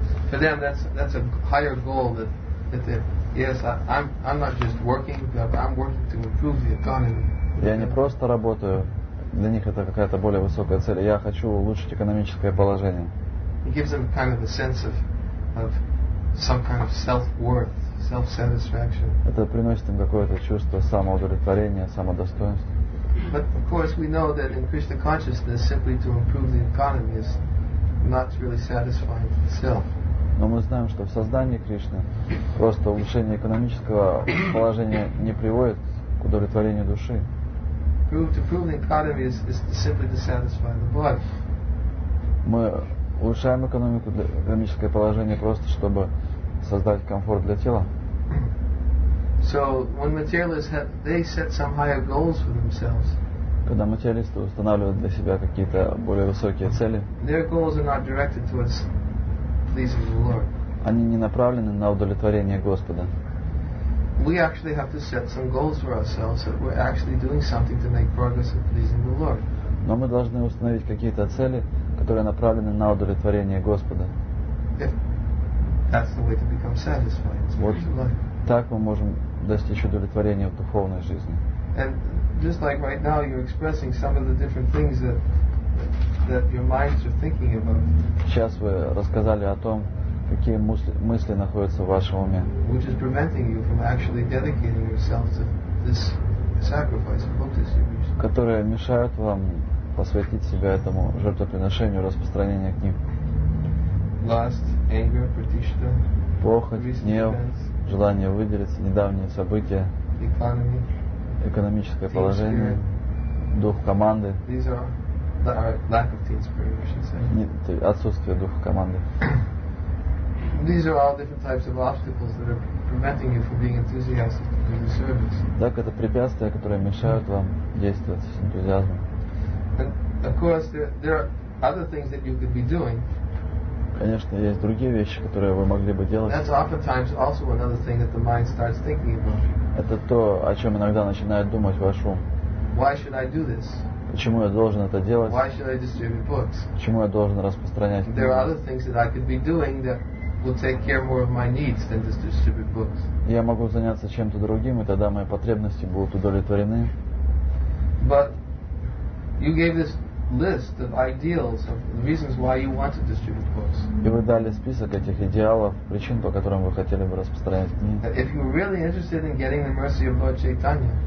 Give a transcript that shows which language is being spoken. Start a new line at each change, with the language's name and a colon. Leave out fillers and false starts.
English: For them, that's a higher goal that yes, I'm not just working, but I'm working to improve the economy.
Russian: Я не просто работаю. Для них это какая-то более высокая цель. Я хочу улучшить экономическое положение.
English: It gives them kind of a sense of some kind of self-worth, self-satisfaction.
Russian: Это приносит им какое-то чувство самоудовлетворения, самодостоинства.
English: But of course we know that in Krishna consciousness simply to improve the economy is not really satisfying itself.
Russian: Но мы знаем, что в сознании Кришны просто улучшение экономического положения не приводит к удовлетворению души. Мы улучшаем экономику, экономическое положение просто, чтобы создать комфорт для тела.
English: So when materialists have, they set some higher goals for themselves.
Russian: Когда материалисты устанавливают для себя какие-то более высокие цели,
English: their goals are not directed towards pleasing the Lord.
Russian: Они не направлены на удовлетворение Господа.
English: We actually have to set some goals for ourselves that we're actually doing something to make progress in pleasing the Lord.
Russian: Но мы должны установить какие-то цели, которые направлены на удовлетворение Господа.
English: If that's the way to become satisfied.
Russian: Вот так мы можем достичь удовлетворения в духовной жизни.
English: And just like right now you're expressing some of the different things that your minds are thinking about.
Russian: Сейчас вы рассказали о том, какие мысли находятся в вашем уме.
English: Which is preventing you from actually dedicating yourself to this sacrifice of bhakti service.
Russian: Которые мешают вам посвятить себя этому жертвоприношению, распространению книг.
English: Lust, anger, pratishtha.
Russian: Похоть, гнев, желание выделиться, недавние события.
English: Economy.
Russian: Экономическое положение. Дух команды.
English: These are lack of team spirit, I should say.
Russian: Нет, отсутствие духа команды.
English: These are all different types of obstacles that are preventing you from being enthusiastic to do the service.
Russian: Так это препятствия, которые мешают вам действовать с энтузиазмом.
English: And of course, there are other things that you could be doing.
Russian: Конечно, есть другие вещи, которые вы могли бы делать.
English: That's oftentimes also another thing that the mind starts thinking about.
Russian: Это то, о чем иногда начинает думать ваш ум.
English: Why should I do this?
Russian: Почему я должен это делать?
English: Why should I distribute books?
Russian: Почему я должен распространять книги?
English: There are other things that I could be doing that will take care more of my needs than just distribute books.
Russian: Я могу заняться чем-то другим, и тогда мои потребности будут удовлетворены.
English: But you gave this list of ideals of the reasons why you want to distribute books.
Russian: И вы дали список этих идеалов, причин, по которым вы хотели бы распространять книги.
English: If you were really interested in getting the mercy of Lord Chaitanya.